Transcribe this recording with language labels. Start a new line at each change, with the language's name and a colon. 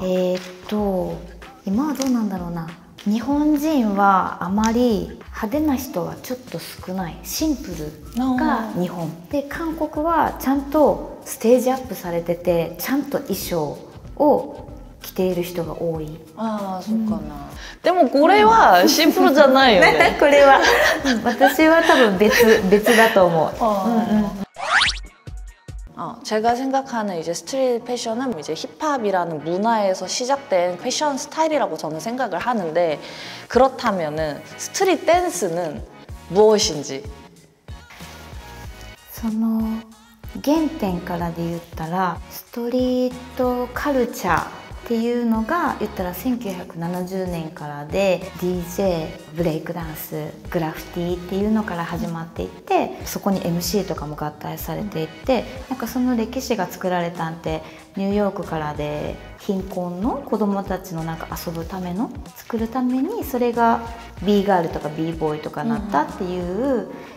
Japanese: 今はどうなんだろうな。日本人はあまり派手な人はちょっと少ない、シンプルが日本で、韓国はちゃんとステージアップされてて、ちゃんと衣装を着ている人が多い。ああ、そうかな。でもこれはシンプルじゃないよね。これは私は多分別だと思う。
Korean: 아 제가 생각하는 이제 스트릿 패션은 이제 힙합이라는 문화에서 시작된 패션 스타일이라고 저는 생각을 하는데, 그렇다면 스트릿 댄스는 무엇인지?
Japanese: その原点からで言ったら、 ストリートカルチャーっていうのが、言ったら1970年からで、 DJ、ブレイクダンス、グラフィティっていうのから始まっていって、そこに MC とかも合体されていって、なんかその歴史が作られたんて、ニューヨークからで貧困の子供たちのなんか遊ぶための、作るために、それが B ガールとか B ボーイとかなったっていう、